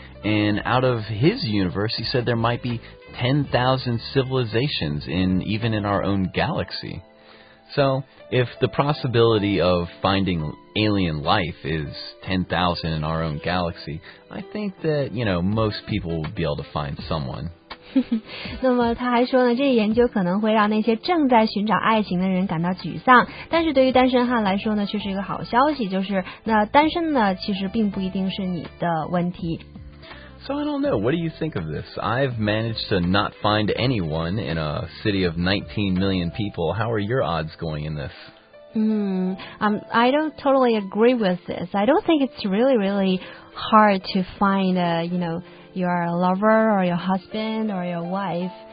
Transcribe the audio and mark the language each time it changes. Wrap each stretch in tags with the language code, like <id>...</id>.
<en>And out of his universe, he said there might be 10,000 civilizations even in our own galaxy. So if the possibility of finding alien life is 10,000 in our own galaxy, I think that, you know, most people will be able to find someone.</en> <zh>那么他还说呢，这个研究可能会让那些正在寻找爱情的人感到沮丧，但是对于单身汉来说呢，却是一个好消息，就是那单身呢，其实并不一定是你的问题。</zh> <en>So I don't know, what do you think of this? I've managed to not find anyone in a city of 19 million people. How are your odds going in this? I don't totally agree with this. I don't think it's really, really hard to find, your lover or your husband or your wife.</en>